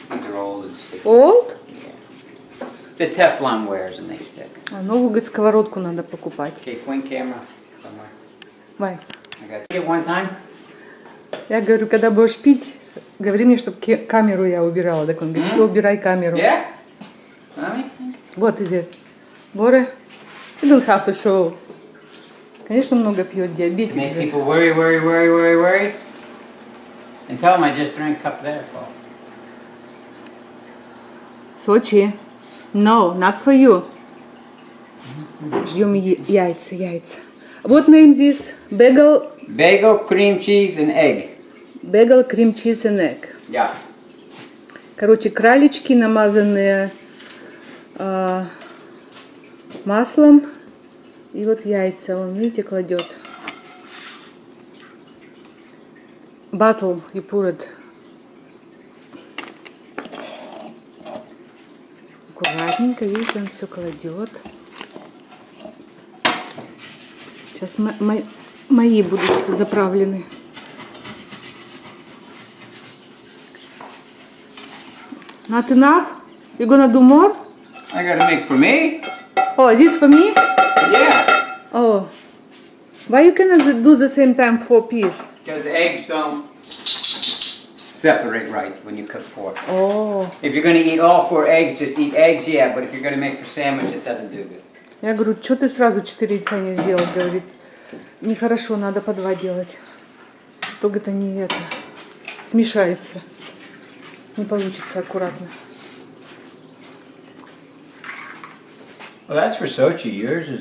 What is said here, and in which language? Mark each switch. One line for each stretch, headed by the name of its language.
English: These are old and sticky. Old? Yeah. The Teflon wears and they stick.
Russian: А новую, говорит, сковородку надо покупать.
English: Okay, point camera somewhere. Why? I got to get one time.
Russian: Я говорю, когда будешь пить, говори мне, чтобы камеру я убирала. Так он говорит, убирай камеру.
English: Yeah? Mommy? What is it? Боре? You don't have to show.
Russian: Конечно, много пьет диабетик. Make же.
English: People worry, worry, worry, worry, worry. And tell them I just drank a cup there, Paul. Сочи. No, not for you.
Russian: Ждем яйца, яйца.
English: What name this? Bagel? Bagel, cream cheese and egg. Bagel, cream cheese and egg. Yeah.
Russian: Короче, кралечки, намазанные маслом. И вот яйца, он, видите, кладет.
English: Battle you pour it.
Russian: Аккуратненько, видите, он все кладет. Сейчас мои будут заправлены.
English: Not enough? You gonna do more? I gotta make for me. Oh, is this for me? Yeah. Oh. Why you cannot do the same time four piece? Because the eggs don't separate right when you cook four. Oh. If you're gonna eat all four eggs, just eat eggs, yeah. But if you're gonna make for sandwich, it doesn't do good.
Russian: Я говорю, что ты сразу четыре яйца не сделал? Говорит, нехорошо, надо по два делать. То, говорит, они это, смешаются. Не получится аккуратно.
English: Well, that's for Sochi. Yours is...